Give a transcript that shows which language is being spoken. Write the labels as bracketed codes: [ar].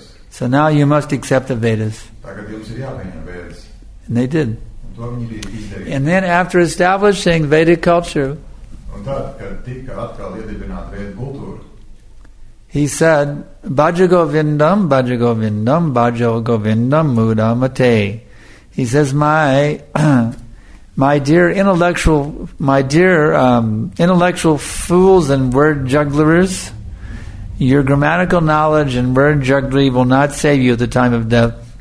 [en] So now you must accept the Vedas. And they did. And then after establishing Vedic culture, [lv] Un tad, kad tika atkal iedibināta Veda kultūra, [en] he said, [sa] Bhaja Govindam, Bhaja Govindam, Mudamate. [en] He says, my dear intellectual fools and word jugglers, your grammatical knowledge and word jugglery will not save you at the time of death.